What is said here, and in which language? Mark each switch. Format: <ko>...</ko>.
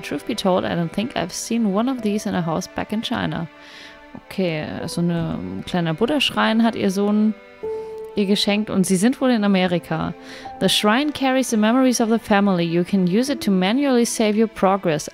<en>Truth be told, I don't think I've seen one of these in a house back in China.</en> <de>Okay, also ein kleiner Buddha shrine hat ihr Sohn ihr geschenkt und sie sind wohl in Amerika.</de> <en>The shrine carries the memories of the family. You can use it to manually save your progress.</en>